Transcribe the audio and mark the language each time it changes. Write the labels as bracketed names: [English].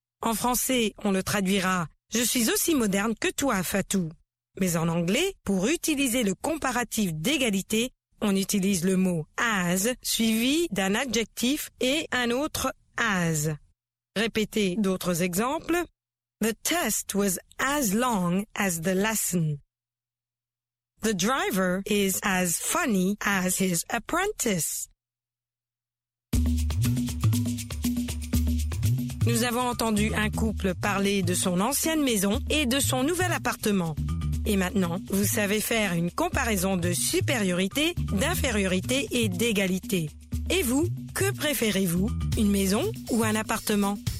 [French] En français, on le traduira « Je suis aussi moderne que toi, Fatou ». Mais en anglais, pour utiliser le comparatif d'égalité, on utilise le mot « as » suivi d'un adjectif et un autre « as ». Répétez d'autres exemples. [English] The test was as long as the lesson. The driver is as funny as his apprentice. [French] Nous avons entendu un couple parler de son ancienne maison et de son nouvel appartement. Et maintenant, vous savez faire une comparaison de supériorité, d'infériorité et d'égalité. Et vous, que préférez-vous? Une maison ou un appartement?